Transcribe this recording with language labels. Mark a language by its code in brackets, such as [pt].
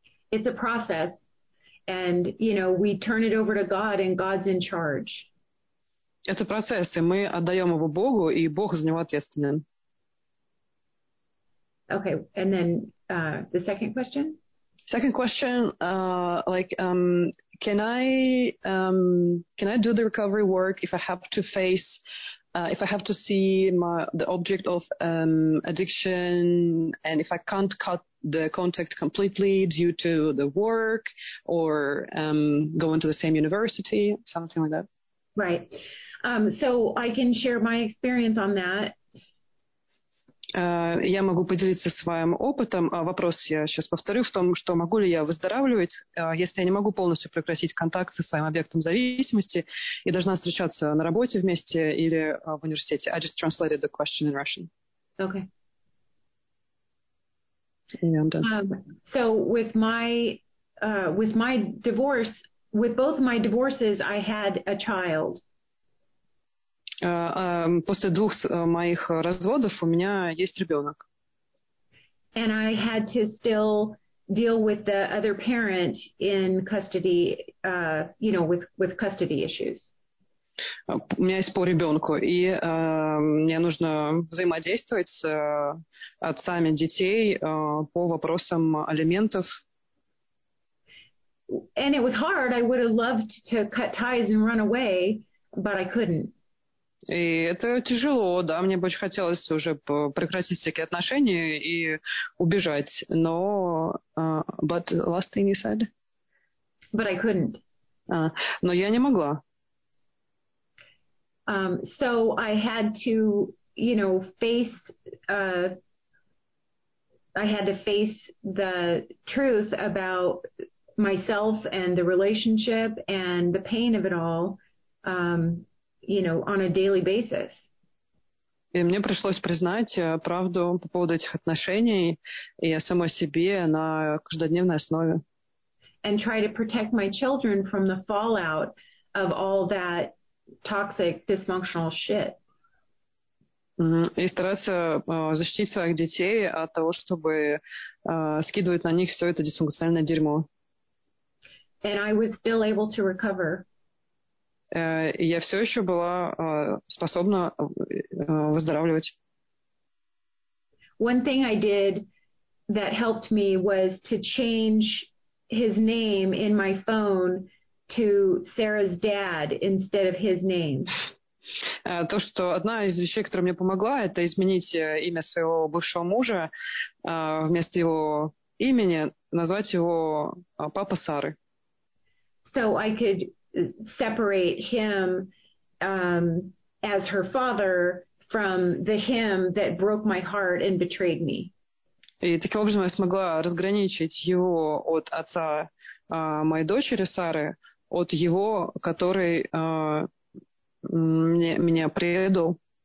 [en] It's a process, and you know we turn it over to God, and God's in charge. [ru] Это процесс, и мы отдаем его Богу, и Бог за него ответственен. [en] Okay, and then the second question. Second question, can I do the recovery work if I have to face? If I have to see the object of addiction, and if I can't cut the contact completely due to the work or going to the same university, something like that. Right. So I can share my experience on that. [ru] Я могу поделиться своим опытом. Вопрос я сейчас повторю в том, что могу ли я выздоравливать, если я не могу полностью прекратить контакт со своим объектом зависимости и должна встречаться на работе вместе или в университете. [en] I just translated the question in Russian. Okay. Yeah, I'm done. So with both my divorces, I had a child. [ru] После двух моих разводов у меня есть ребенок. [en] And I had to still deal with the other parent in custody, with custody issues. [ru] У меня есть по ребенку, и мне нужно взаимодействовать с отцами детей по вопросам алиментов. [en] And it was hard. I would have loved to cut ties and run away, but I couldn't. [ru] И это тяжело, да, мне бы очень хотелось уже прекратить всякие отношения и убежать, но... [en] But last thing you said? But I couldn't. [ru] Но я не могла. [en] So I had to, face the truth about myself and the relationship and the pain of it all, on a daily basis. [ru] И мне пришлось признать правду по поводу этих отношений и о самой себе на каждодневной основе. [en] And try to protect my children from the fallout of all that toxic, dysfunctional shit. [ru] И стараться защитить своих детей от того, чтобы скидывать на них все это дисфункциональное дерьмо. [en] And I was still able to recover. [ru] Я все еще была способна выздоравливать. [en] One thing I did that helped me was to change his name in my phone to Sarah's dad instead of his name. [ru] То, что одна из вещей, которая мне помогла, это изменить имя своего бывшего мужа вместо его имени, назвать его папа Сары. [en] So I could separate him as her father from the him that broke my heart and betrayed me. [ru] И таким образом я смогла разграничить его от отца моей дочери Сары от его, который меня предал.